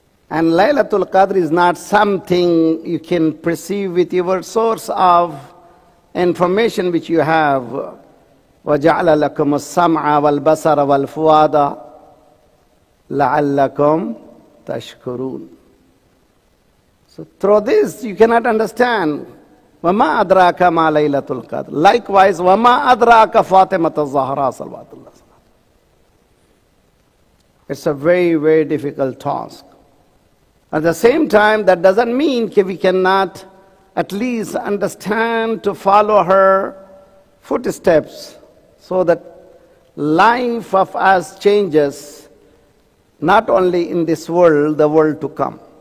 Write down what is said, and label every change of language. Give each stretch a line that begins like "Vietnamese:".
English: And Laylatul Qadr is not something you can perceive with your source of information which you have.
Arabic: وَجَعْلَ لَكُمُ السَّمْعَ وَالْبَصَرَ وَالْفُوَادَ لَعَلَّكُمْ تَشْكُرُونَ.
English: So through this you cannot understand.
Arabic: وَمَا أَدْرَاكَ مَا لَيْلَةُ الْقَدْرِ.
English: Likewise,
Arabic: وَمَا أَدْرَاكَ فَاطِمَةَ الزَّهْرَى صَلَّى اللَّهُ عَلَيْهِ وَسَلَّمَ.
English: It's a very, very difficult task. At the same time, that doesn't mean that we cannot at least understand to follow her footsteps, so that life of us changes, not only in this world, the world to come.